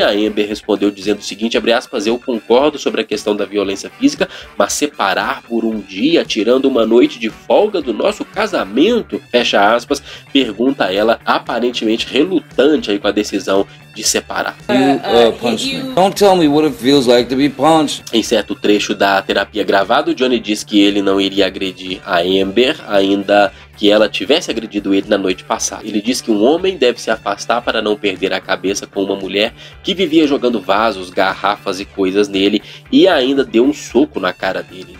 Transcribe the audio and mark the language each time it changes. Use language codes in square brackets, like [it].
[pt] A Amber respondeu dizendo o seguinte, abre aspas, eu concordo sobre a questão da violência física, mas separar por um dia, tirando uma noite de folga do nosso casamento? Fecha aspas, pergunta ela, aparentemente relutante aí com a decisão de separar. [en] Don't tell me what it feels like to be punched. [pt] Em certo trecho da terapia gravada, Johnny diz que ele não iria agredir a Amber, ainda que ela tivesse agredido ele na noite passada. Ele diz que um homem deve se afastar para não perder a cabeça com uma mulher que vivia jogando vasos, garrafas e coisas nele, e ainda deu um soco na cara dele.